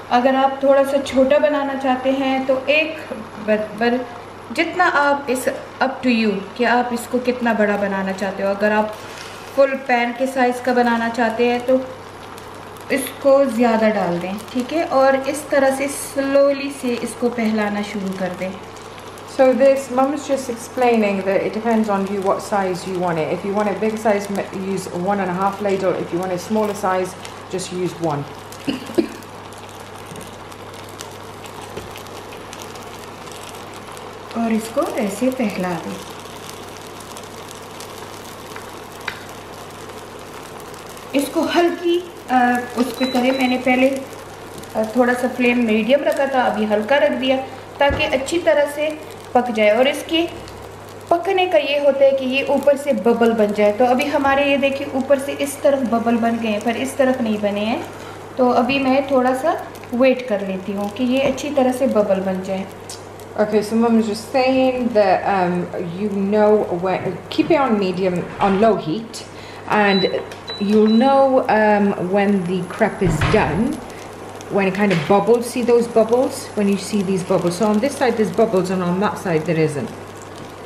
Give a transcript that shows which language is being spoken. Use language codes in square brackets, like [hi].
[hi] अगर आप थोड़ा सा छोटा बनाना चाहते हैं तो एक बराबर जितना आप [en] इस up to you [hi] कि आप इसको कितना बड़ा बनाना चाहते हो. अगर आप फुल पैन के साइज़ का बनाना चाहते हैं तो इसको ज़्यादा डाल दें. ठीक है. और इस तरह से स्लोली से इसको फैलाना शुरू कर दें. [en] So this, Mum is just explaining that it depends on you what size you want it. If you want a big size, use 1.5 ladle. If you want a smaller size, just use one. [hi] और इसको ऐसे फैला दे. इसको हल्की उस पे करें. मैंने पहले थोड़ा सा फ्लेम मीडियम रखा था, अभी हल्का रख दिया ताकि अच्छी तरह से पक जाए. और इसके पकने का ये होता है कि ये ऊपर से बबल बन जाए. तो अभी हमारे ये देखिए ऊपर से इस तरफ बबल बन गए हैं पर इस तरफ नहीं बने हैं. तो अभी मैं थोड़ा सा वेट कर लेती हूँ कि ये अच्छी तरह से बबल बन जाए. [en] Okay, so mom is just saying that you know when keep it on medium on low heat and you'll know when the crepe is done. When it kind of bubbles, see those bubbles? When you see these bubbles. So on this side there's bubbles and on that side there isn't.